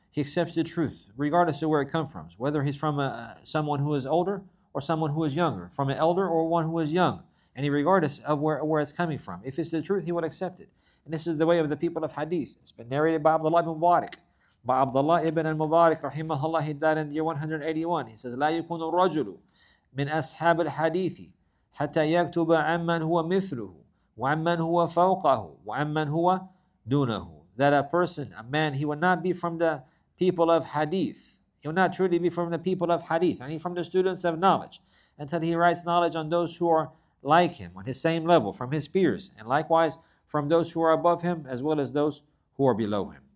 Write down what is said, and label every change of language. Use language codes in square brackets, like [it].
[en] He accepts the truth, regardless of where it comes from. Whether he's from someone who is older or someone who is younger. From an elder or one who is young. And he regardless of where it's coming from. If it's the truth, he would accept it. And this is the way of the people of Hadith. It's been narrated by Abdullah ibn Mubarak. By Abdullah ibn al-Mubarak, rahimahullah, he died in the year 181. [ar] He says, لا يكون الرجل من أصحاب الحديث حتى يكتب عمن هو مثله. وَعَمَّنْ هُوَ فَوْقَهُ وَعَمَّنْ هُوَ دُونَهُ. [en] That a person, a man, he will not be from the people of hadith. He will not truly be from the people of hadith. I mean, from the students of knowledge. Until he writes knowledge on those who are like him, on his same level, from his peers. And likewise, from those who are above him, as well as those who are below him.